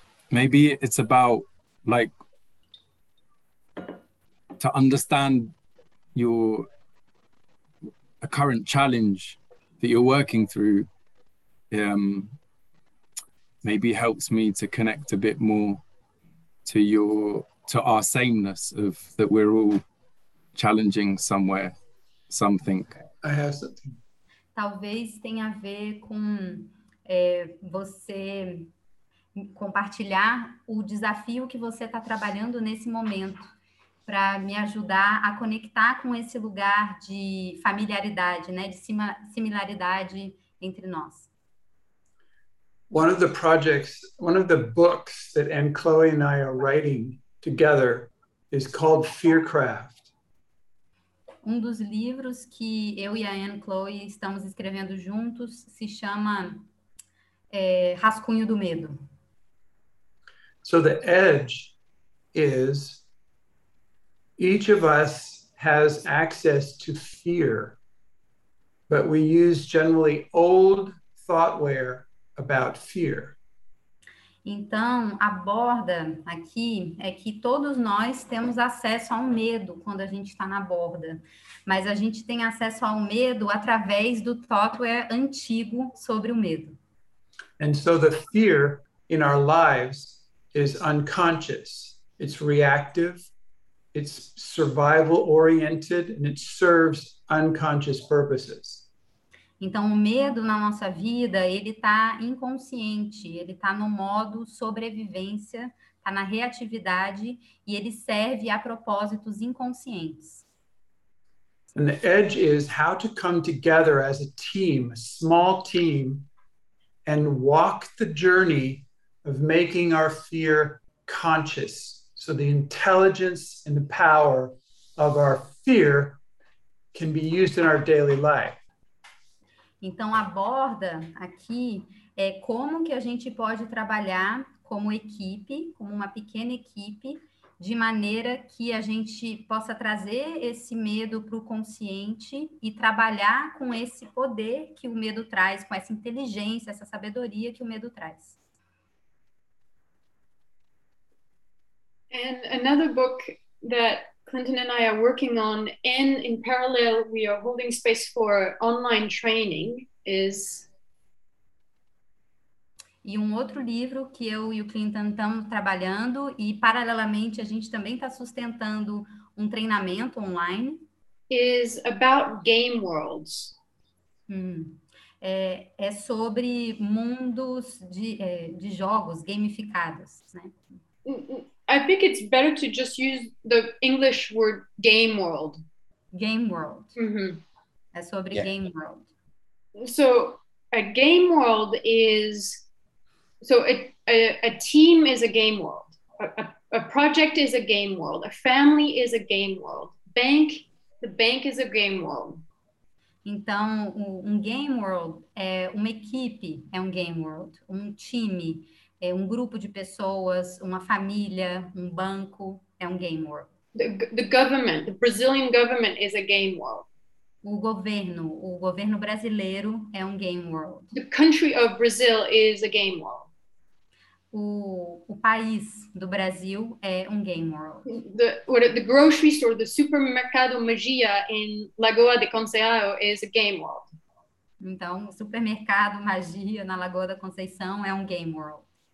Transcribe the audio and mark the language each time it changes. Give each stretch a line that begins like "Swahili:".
English: Maybe it's about like to understand a current challenge that you're working through. Maybe helps me to connect a bit more to our sameness of that we're all challenging somewhere, something. I have something.
Portuguese: Talvez tenha a ver com você compartilhar o desafio que você está trabalhando nesse momento para me ajudar a conectar com esse lugar de familiaridade, né, de similaridade entre nós.
English: One of the projects, one of the books that Anne Chloe and I are writing together is called Fearcraft.
Portuguese: Um dos livros que eu e a Anne Chloe estamos escrevendo juntos se chama Rascunho do Medo.
English: So the edge is each of us has access to fear, but we use generally old thoughtware about fear.
Portuguese: Então, a borda aqui é que todos nós temos acesso ao medo quando a gente está na borda, mas a gente tem acesso ao medo através do thoughtware antigo sobre o medo.
English: And so the fear in our lives is unconscious, it's reactive, it's survival oriented, and it serves unconscious purposes.
Portuguese: Então, o medo na nossa vida, ele tá inconsciente, ele tá no modo sobrevivência, tá na reatividade, e ele serve a propósitos inconscientes.
English: And the edge is how to come together as a team, a small team, and walk the journey of making our fear conscious. So the intelligence and the power of our fear can be used in our daily life.
Portuguese: Então a borda aqui é como que a gente pode trabalhar como equipe, como uma pequena equipe, de maneira que a gente possa trazer esse medo para o consciente e trabalhar com esse poder que o medo traz, com essa inteligência, essa sabedoria que o medo traz.
English: And another book that Clinton and I are working on, and in parallel we are holding space for online training, is...
Portuguese: E um outro livro que eu e o Clinton estamos trabalhando, e paralelamente a gente também está sustentando um treinamento online...
English: Is about game worlds.
Portuguese: É sobre mundos de jogos gamificados, né?
English: I think it's better to just use the English word game world. Game world. Mm-hmm.
Portuguese: É sobre game world.
English: So a game world is So a team is a game world. A project is a game world. A family is a game world. The bank is a game world.
Portuguese: Então, um game world é uma equipe, é um game world. Um time é um grupo de pessoas, uma família, um banco, é um game world.
English: The government, the Brazilian government is a game world.
Portuguese: O governo brasileiro é um game world.
English: The country of Brazil is a game world.
Portuguese: O país do Brasil é um game world.
English: The grocery store, the supermercado Magia in Lagoa de Conceição is a game world.
Portuguese: Então, o supermercado Magia na Lagoa da Conceição é um game world.